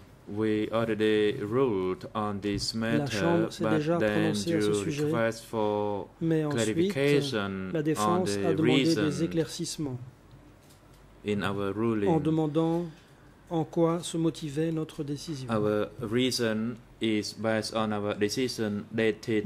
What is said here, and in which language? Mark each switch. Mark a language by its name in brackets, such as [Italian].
[English] We already ruled on this matter, but then you request for clarification on the reason in our ruling. [French] En demandant en quoi se motivait notre décision. [English] Our reason is based on our decision dated